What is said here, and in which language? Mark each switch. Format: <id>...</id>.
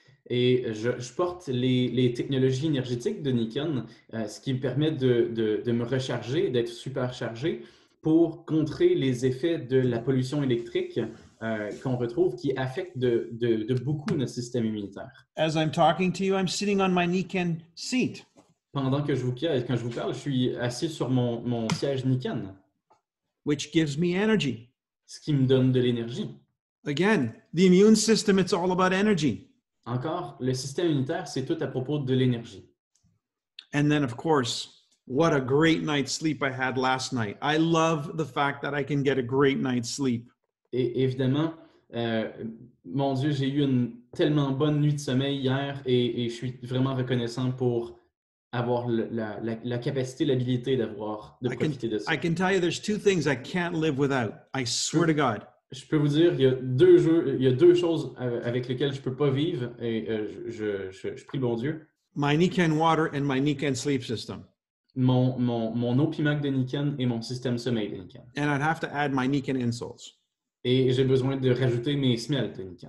<fr>Et je porte les technologies énergétiques de Nikan, ce qui me permet de me recharger, d'être superchargé pour contrer les effets de la pollution électrique qu'on retrouve, qui affecte de beaucoup notre système immunitaire.</fr> <en>As I'm talking to you, I'm sitting on my Nikan seat.</en> <fr>Pendant que je vous parle, je suis assis sur mon siège Nikan.</fr> <en>Which gives me energy.</en> <fr>Ce qui me donne de l'énergie.</fr> <en>Again, the immune system, it's all about energy.</en> <fr>Encore, le système immunitaire, c'est tout à propos de l'énergie.</fr> <en>And then, of course, what a great night's sleep I had last night. I love the fact that I can get a great night's sleep.</en> <fr>Et évidemment, mon Dieu, j'ai eu une tellement bonne nuit de sommeil hier et je suis vraiment reconnaissant pour avoir la capacité, l'habilité de profiter de ça.</fr> <en>I can tell you there's two things I can't live without. I swear to God.</en> <fr>Je peux vous dire, il y a deux choses avec lesquelles je ne peux pas vivre et je prie bon Dieu.</fr> <en>My Nikan water and my Nikan sleep system.</en> <fr>Mon opimac de Nikan et mon système sommeil de Nikan.</fr> <en>And I'd have to add my Nikan insoles.</en> <fr>Et j'ai besoin de rajouter mes semelles de Nikan.</fr>